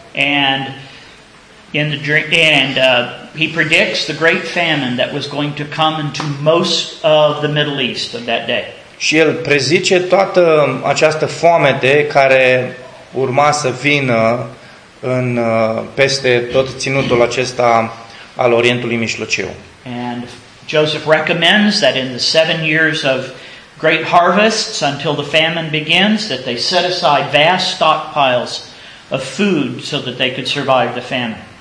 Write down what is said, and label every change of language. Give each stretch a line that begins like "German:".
English: And in the dream, he predicts the great famine that was going to come into most of the Middle East of that day.
Romanian: Și el prezice toată această foamete care urma să vină în peste tot ținutul acesta al Orientului Mijlociu.
English: And Joseph recommends that in the 7 years of great harvests until the famine begins, that they set aside vast stockpiles of food so that they could survive the famine.